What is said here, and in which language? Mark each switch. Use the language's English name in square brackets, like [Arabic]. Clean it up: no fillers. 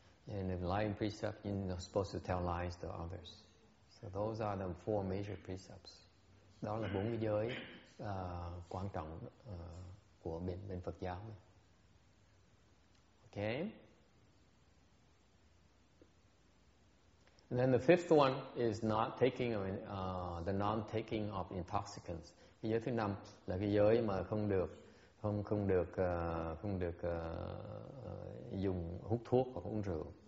[English] And in lying precept, you're not supposed to tell lies to others. So those are the four major precepts. [Vietnamese] Đó là bốn cái giới quan trọng của bên Phật giáo. [English] Okay. And then the fifth one is not taking the non-taking of intoxicants. [Vietnamese] Cái giới thứ năm là cái giới mà không được dùng hút thuốc hoặc uống rượu.